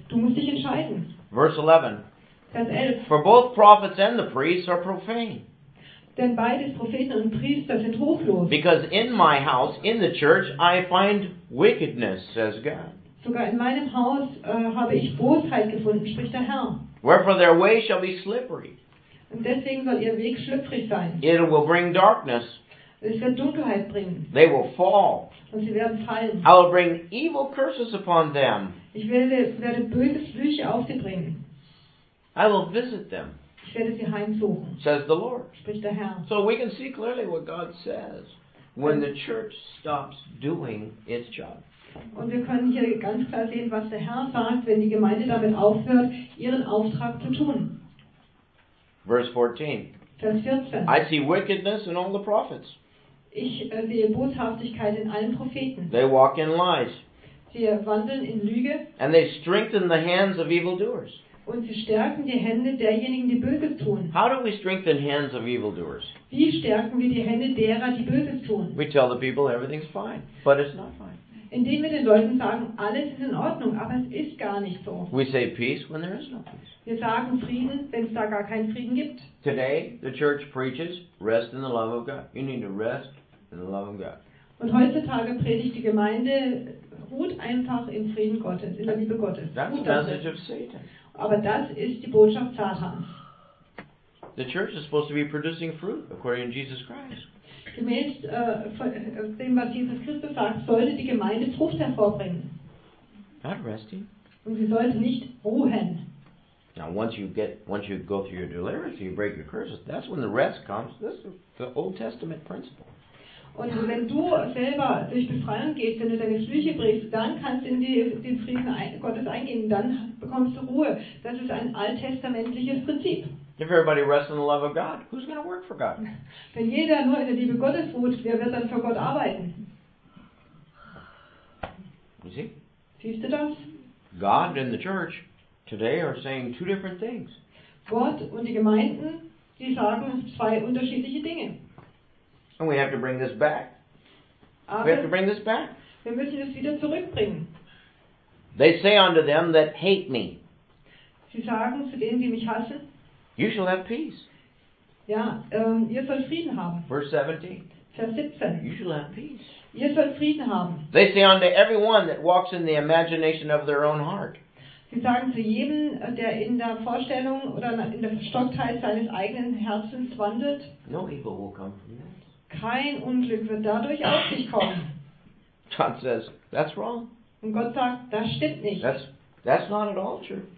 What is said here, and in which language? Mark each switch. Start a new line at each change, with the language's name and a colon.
German: Du musst dich entscheiden.
English: Verse 11.
German: Vers 11.
English: For both prophets and the priests are profane.
German: Denn beides Propheten und Priester sind ruchlos.
English: Because in my house, in the church, I find wickedness, says God.
German: Sogar in meinem Haus habe ich Bosheit gefunden, spricht der Herr.
English: Wherefore their way shall be slippery.
German: Und deswegen soll ihr Weg schlüpfrig sein.
English: It will bring darkness.
German: Es wird Dunkelheit bringen.
English: They will fall.
German: Und sie werden fallen.
English: I will bring evil curses upon them.
German: Ich werde böse Flüche auf sie bringen.
English: I will visit them.
German: Ich werde sie heimsuchen.
English: Says the Lord.
German: Spricht der Herr.
English: So we can see clearly what God says when the church stops doing its job.
German: Und wir können hier ganz klar sehen, was der Herr sagt, wenn die Gemeinde damit aufhört, ihren Auftrag zu tun.
English: Verse 14.
German: Vers 14.
English: I see wickedness in all the prophets.
German: Ich sehe Boshaftigkeit in allen Propheten.
English: They walk in lies.
German: Sie wandeln in Lüge.
English: And they strengthen the hands of evildoers.
German: Und sie stärken die Hände derjenigen, die Böses tun.
English: How do we strengthen hands of evildoers?
German: Wie stärken wir die Hände derer, die Böses tun?
English: We tell the people everything's fine, but it's not fine.
German: Indem wir den Leuten sagen, alles ist in Ordnung, aber es ist gar nicht so.
English: We say peace when there is no peace.
German: Wir sagen Frieden, wenn es da gar keinen Frieden gibt.
English: Today the church preaches rest in the love of God. You need to rest in the love of God.
German: Und heutzutage predigt die Gemeinde ruht einfach im Frieden Gottes, in der Liebe Gottes.
English: That's the message of Satan.
German: Aber das ist die Botschaft Satans.
English: The church is supposed to be producing fruit according to Jesus Christ.
German: Gemäß dem, was Jesus Christus sagt, sollte die Gemeinde Frucht hervorbringen.
English: Not resting.
German: Und sie sollte nicht ruhen.
English: Now, once you go through your deliverance, you break your curses. That's when the rest comes. This is the Old Testament principle.
German: Und wenn du selber durch Befreiung gehst, wenn du deine Flüche brichst, dann kannst du in den Frieden Gottes eingehen. Dann bekommst du Ruhe. Das ist ein alttestamentliches Prinzip.
English: If everybody rests in the love of God, who's going to work for God?
German: Wenn jeder nur in der Liebe Gottes ruht, wer wird dann für Gott arbeiten?
English: You see?
German: Siehst du das?
English: God and the church today are saying two different things.
German: Gott und die Gemeinden, die sagen zwei unterschiedliche Dinge.
English: And we have to bring this back.
German: Aber
English: we have to bring this back.
German: Wir müssen das wieder zurückbringen.
English: They say unto them that hate me.
German: Sie sagen zu denen, die mich hassen.
English: You shall have peace.
German: Ja, ihr sollt Frieden haben.
English: Verse 17.
German: Vers 17.
English: You shall have peace.
German: Ihr sollt Frieden haben.
English: They say unto everyone that walks in the imagination of their own heart.
German: Sie sagen zu jedem, der in der Vorstellung oder in der Verstocktheit seines eigenen Herzens wandelt.
English: No evil will come from that.
German: Kein Unglück wird dadurch auf dich kommen.
English: God says, that's wrong.
German: Und Gott sagt, das stimmt nicht.
English: That's not at all true.